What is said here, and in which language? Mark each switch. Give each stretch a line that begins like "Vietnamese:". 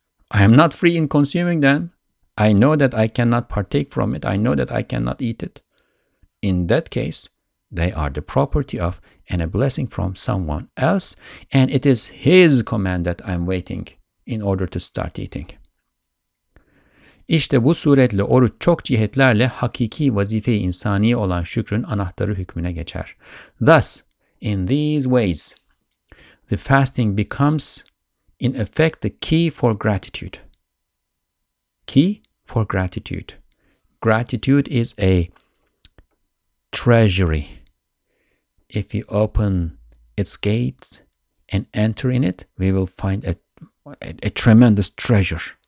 English: I am not free in consuming them. I know that I cannot partake from it. I know that I cannot eat it. In that case, they are the property of and a blessing from someone else. And it is his command that I am waiting in order to start eating.
Turkish: İşte bu suretle oruç çok cihetlerle hakiki vazife-i insani olan şükrün anahtarı hükmüne geçer.
English: Thus, in these ways, the fasting becomes, in effect, the key for gratitude. Key for gratitude. Gratitude is a treasury. If we open its gates and enter in it, we will find a tremendous treasure.